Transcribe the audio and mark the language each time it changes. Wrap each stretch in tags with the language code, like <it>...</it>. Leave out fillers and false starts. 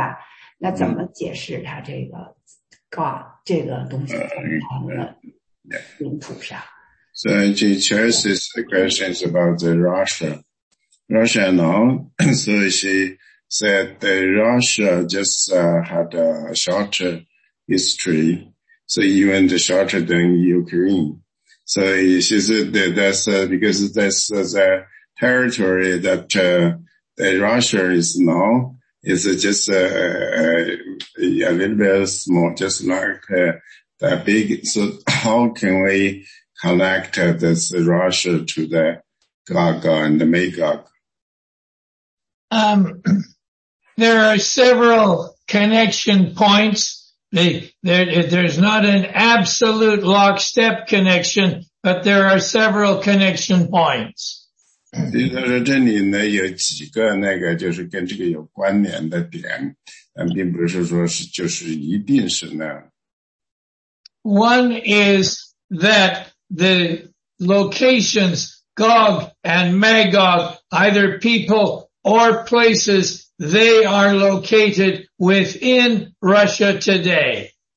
<zh>相对来说要短很多，还没有乌克兰那个长，是吧？那它的疆界呢，也只是现在，就是说近着这么三两百年才有。但是我们这个呢，就是说，就一开始就有的我们的神的这些个说的这些东西，对吧？那怎么解释它这个 God 这个东西在它的领土上？</zh> <en>So the Chelsea's question is about the Russia. Russia now, so she said that Russia just had a shorter history, so even shorter than Ukraine. So she said that that's because that's the territory that Russia is now, is just a little bit small, just like that big. So how can we connect this Russia to the Gog and the Magog? There are several connection points. There's not an absolute lockstep connection, but there are several connection points.</en> <zh>就是这里呢，有几个那个就是跟这个有关联的点，但并不是说是就是一定是那样。</zh> <en>One is that the locations Gog and Magog, either people or places, they are located within Russia today.</en>